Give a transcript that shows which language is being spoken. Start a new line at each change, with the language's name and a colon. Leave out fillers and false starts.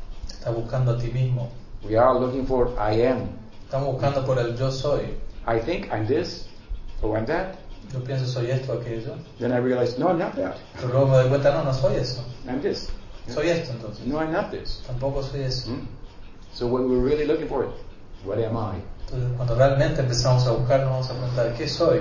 Spanish: Está buscando a ti mismo.
English: We are looking for I am.
Spanish: Estamos buscando por el yo soy.
English: I think I'm this or I'm that.
Spanish: Yo pienso soy esto o aquello.
English: Then I realize no, I'm not that.
Spanish: Pero luego me doy cuenta no soy eso.
English: I'm this.
Spanish: Soy esto entonces.
English: No, I'm not this.
Spanish: Tampoco soy eso.
English: So when we're really looking for it, what am I?
Spanish: Entonces, cuando realmente empezamos a buscar, nos vamos a preguntar ¿qué soy?